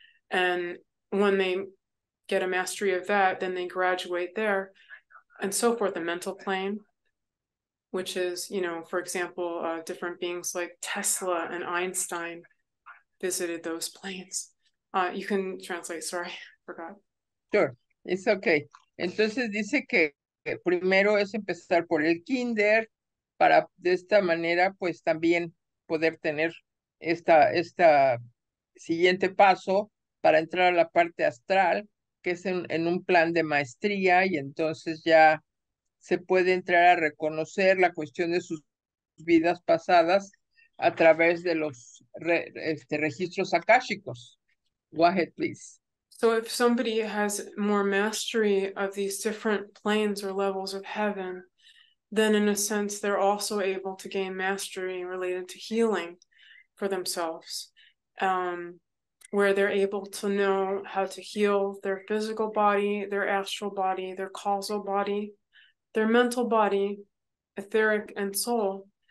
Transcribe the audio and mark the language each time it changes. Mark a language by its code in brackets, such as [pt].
[en] And when they get a mastery of that, then they graduate there and so forth. The mental plane, which is, you know, for example, different beings like Tesla and Einstein visited those planes. You can translate, sorry, forgot. Sure, it's okay. [es] Entonces dice que primero es empezar por el kinder para de esta manera pues también poder tener esta siguiente paso para entrar a la parte astral, que es en un plan de maestría, y entonces ya se puede entrar a reconocer la cuestión de sus vidas pasadas a través de los registros akáshicos. [en] Go ahead, please. So if somebody has more mastery of these different planes or levels of heaven, then in a sense, they're also able to gain mastery related to healing for themselves, where they're able to know how to heal their physical body, their astral body, their causal body, their mental body, etheric and soul.